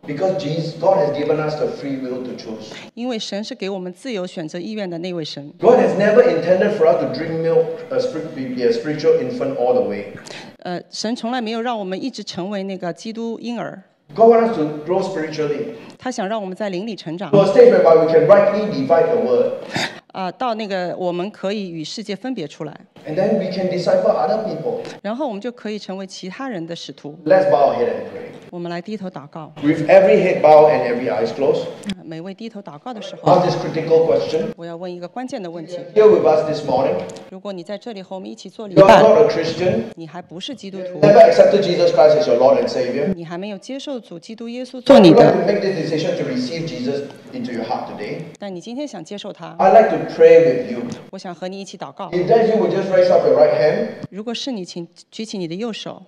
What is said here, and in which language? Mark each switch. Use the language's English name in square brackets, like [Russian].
[English] Because Jesus, God has given us the free will to choose, [Chinese] 因为神是给我们自由选择意愿的那位神。 [English] God has never intended for us to drink milk, be a spiritual infant all the way. [Chinese] 神从来没有让我们一直成为那个基督婴儿。 [English] God wants us to grow spiritually. [Chinese] 他想让我们在灵里成长。 [English] To a stage whereby we can rightly divide the word. [Chinese] 到那个我们可以与世界分别出来。 [English] And then we can disciple other people. [Chinese] 然后我们就可以成为其他人的使徒。 [English] Let's bow our head and pray. [Chinese] 我们来低头祷告。 [English] With every head bowed and every eyes closed. [Chinese] 每位低头祷告的时候。 [English] Ask this critical question. [Chinese] 我要问一个关键的问题。 [English] Here with us this morning. [Chinese] 如果你在这里和我们一起做礼拜。 [English] You are not a Christian. [Chinese] 你还不是基督徒。 [English] Never accepted Jesus Christ as your Lord and Savior. [Chinese] 你还没有接受主基督耶稣做你的。 [English] I'd like to make this decision to receive Jesus into your heart today. [Chinese] 但你今天想接受他。 [English] I'd like to pray with you. [Chinese] 我想和你一起祷告。 [English] If that's you, would just raise up your right hand. [Chinese] 如果是你，请举起你的右手。